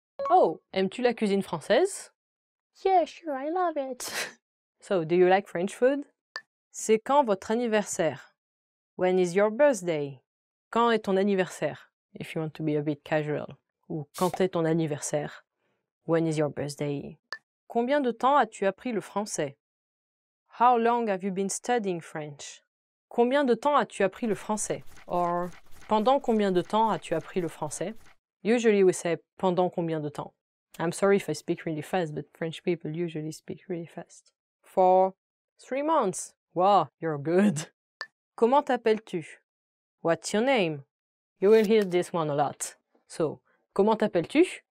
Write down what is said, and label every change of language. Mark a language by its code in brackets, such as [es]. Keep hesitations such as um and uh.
[fr] Oh, aimes-tu la cuisine française? [en] Yeah, sure, I love it. so, do you like French food? [fr] C'est quand votre anniversaire? [en] When is your birthday? [fr] Quand est ton anniversaire? [en] If you want to be a bit casual. [fr] Ou quand est ton anniversaire? [en] When is your birthday? [fr] Combien de temps as-tu appris le français? [en] How long have you been studying French? [fr] Combien de temps as-tu appris le français? Or, pendant combien de temps as-tu appris le français? [en] usually we say [fr] pendant combien de temps. [en] I'm sorry if I speak really fast, but French people usually speak really fast. For three months. Wow, you're good. [fr] Comment t'appelles-tu? [en] What's your name? You will hear this one a lot. So, [fr] comment t'appelles-tu?